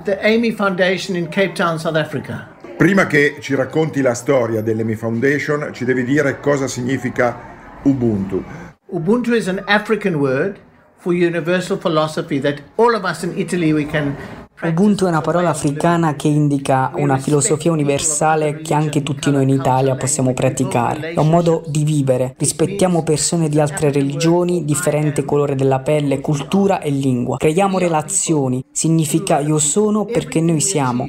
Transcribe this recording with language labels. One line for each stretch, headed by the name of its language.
English: The AMI Foundation in Cape Town, South Africa.
Italian: Prima che ci racconti la storia dell'AMI Foundation, ci devi dire cosa significa Ubuntu.
English: Ubuntu is an African word for universal philosophy that all of us in Italy we can.
Italian: Ubuntu è una parola africana che indica una filosofia universale che anche tutti noi in Italia possiamo praticare. È un modo di vivere. Rispettiamo persone di altre religioni, differente colore della pelle, cultura e lingua. Creiamo relazioni. Significa io sono perché noi siamo.